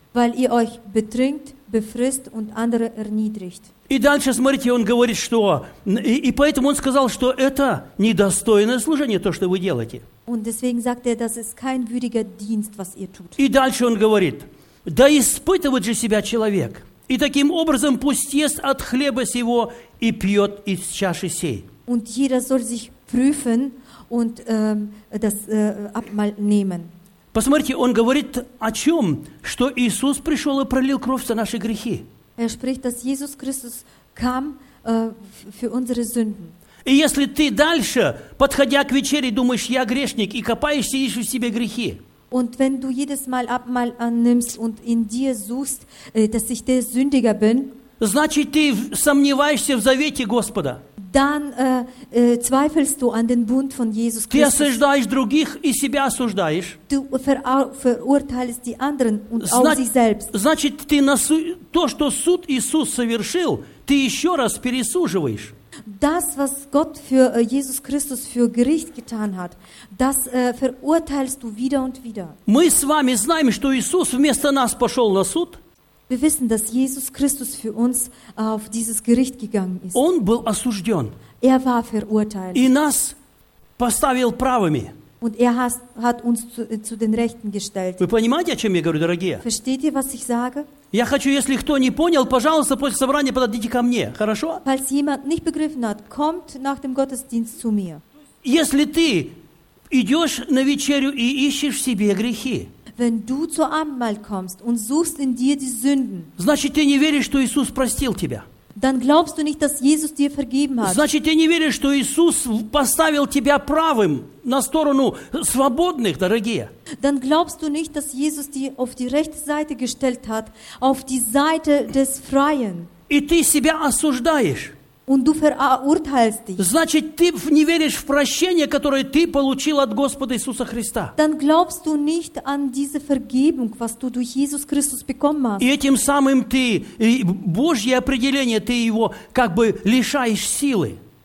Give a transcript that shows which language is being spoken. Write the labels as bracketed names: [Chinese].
[German] Weil ihr euch betrinkt, befrisst und andere erniedrigt. [Russian] И дальше, смотрите, он говорит, что... И поэтому он сказал, что это недостойное служение, то, что вы делаете. [German] Und deswegen sagt er, das ist kein würdiger Dienst, was ihr tut. [Russian] И дальше он говорит, да испытывает же себя человек, и таким образом пусть ест от хлеба сего и пьет из чаши сей. [German] Und jeder soll sich prüfen und das Abendmahl nehmen. [Russian] Посмотрите, он говорит о чем? Что Иисус пришел и пролил кровь за наши грехи. [German] Er spricht, dass Jesus Christus kam für unsere Sünden. [Russian] И если ты дальше, подходя к вечере, думаешь, я грешник, и копаешься, ищешь в себе грехи. [German] Und wenn du jedes Mal Abendmahl annimmst und in dir suchst, dass ich der Sündiger bin, [Russian] значит, ты сомневаешься в завете Господа. [German] Dann zweifelst du an den Bund von Jesus [Russian] Christus. Ты осуждаешь других и себя осуждаешь. [German] Du verurteilst die anderen und auch sich selbst. [Russian] Значит, ты то, что суд Иисус совершил, ты еще раз пересуживаешь. [German] Das, was Gott für Jesus Christus für Gericht getan hat, das verurteilst du wieder und wieder. [Russian] Мы с вами знаем, что Иисус вместо нас пошел на суд. [German] Wir wissen, dass Jesus Christus für uns auf dieses Gericht gegangen ist. [Russian] Он был осужден. [German] Er war verurteilt. [Russian] И нас поставил правыми. [German] Und er hat uns zu den Rechten gestellt. [Russian] Вы понимаете, о чем я говорю, дорогие? [German] Versteht ihr, was ich sage? [Russian] Я хочу, если кто не понял, пожалуйста, после собрания подойдите ко мне, хорошо? [German] Falls jemand nicht begriffen hat, kommt nach dem Gottesdienst zu mir. [Russian] Если ты идешь на вечерю и ищешь в себе грехи, [German] wenn du zur Abendmahl kommst und suchst in dir die Sünden, [Russian] значит, ты не веришь, что Иисус простил тебя. [German] Dann glaubst du nicht, dass Jesus dir vergeben hat. [Russian] Значит, ты не веришь, что Иисус поставил тебя правым на сторону свободных, дорогие. [German] Dann glaubst du nicht, dass Jesus dir auf die rechte Seite gestellt hat, auf die Seite des Freien. [Russian] И ты себя осуждаешь. [German] Und du verurteilst dich. [Russian] Значит, ты не веришь в прощение, которое ты получил от Господа Иисуса Христа. [German] Dann glaubst du nicht an diese Vergebung, was du durch Jesus Christus bekommen hast. [Russian] И этим самым ты, Божье определение, ты его как бы лишаешь силы.